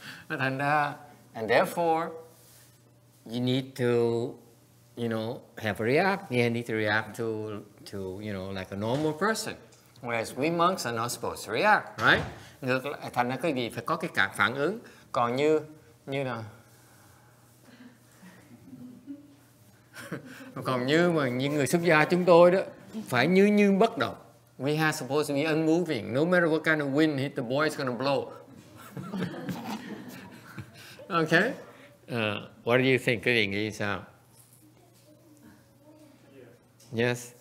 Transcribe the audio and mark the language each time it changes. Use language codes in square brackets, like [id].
[en] And therefore, you need to, you know, have a react. You need to react to you know, like a normal person. Whereas we monks are not supposed to react, right? [vi] Ngược lại, thành ra cái gì phải có cái cả phản ứng. Còn như là, còn như mà những người xuất gia chúng tôi đó phải như bất động. [en] We are supposed to be unmoving. No matter what kind of wind hit the boy, it's gonna blow. Okay. What do you think, [vi] quý vị nghĩ sao? [en] Yes.